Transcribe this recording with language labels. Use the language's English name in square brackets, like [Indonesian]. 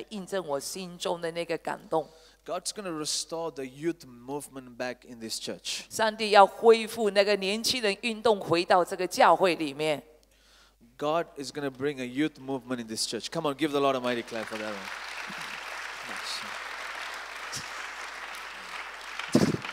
[Chinese] 威廉传道来跟我讲了一件事，来印证我心中的那个感动。 [English] God's going to restore the youth movement back in this church. [Chinese] 上帝要恢复那个年轻人运动回到这个教会里面。 [English] God is going to bring a youth movement in this church. Come on, give the Lord a mighty clap for that one.